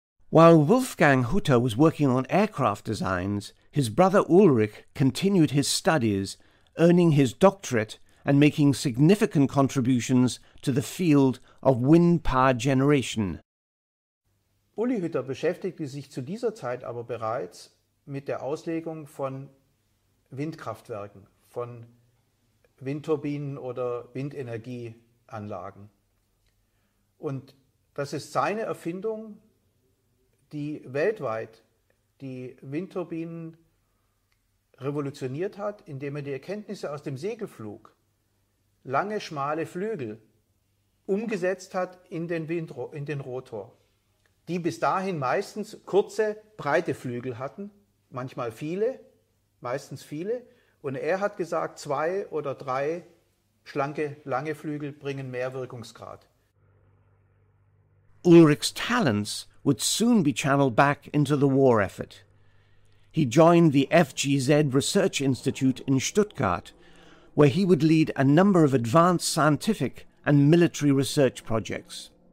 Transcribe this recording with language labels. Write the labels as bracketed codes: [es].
[en] While Wolfgang Hutter was working on aircraft designs, his brother Ulrich continued his studies earning his doctorate and making significant contributions to the field of wind power generation. [de] Uli Hütter beschäftigte sich zu dieser Zeit aber bereits mit der Auslegung von Windkraftwerken, von Windturbinen oder Windenergieanlagen. Und das ist seine Erfindung, die weltweit die Windturbinen revolutioniert hat, indem er die Erkenntnisse aus dem Segelflug, lange schmale Flügel, umgesetzt hat in den Rotor, die bis dahin meistens kurze, breite Flügel hatten, manchmal viele, meistens viele. Und er hat gesagt, zwei oder drei schlanke, lange Flügel bringen mehr Wirkungsgrad. [en] Ulrich's talents would soon be channeled back into the war effort. He joined the FGZ Research Institute in Stuttgart, where he would lead a number of advanced scientific and military research projects.